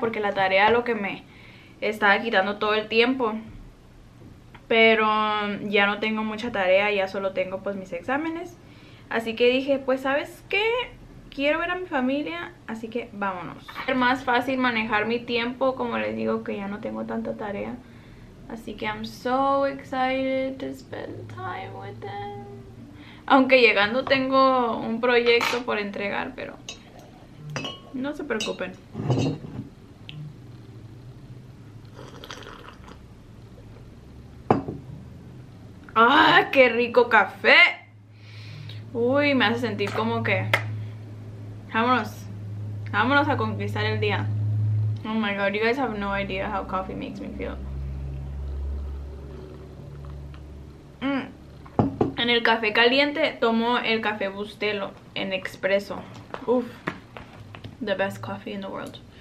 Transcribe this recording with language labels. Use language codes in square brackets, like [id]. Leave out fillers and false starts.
[es] Porque la tarea es lo que me está quitando todo el tiempo. Pero ya no tengo mucha tarea. Ya solo tengo pues mis exámenes. Así que dije, pues ¿sabes qué? Quiero ver a mi familia. Así que vámonos. Es más fácil manejar mi tiempo. Como les digo, que ya no tengo tanta tarea. Así que [en] I'm so excited to spend time with them. [es] Aunque llegando tengo un proyecto por entregar, pero no se preocupen. ¡Ah, qué rico café! Uy, me hace sentir como que... Vámonos. Vámonos a conquistar el día. [en] Oh my god, you guys have no idea how coffee makes me feel. [es] En el café caliente tomo el café Bustelo en expreso. [en] Uf, the best coffee in the world.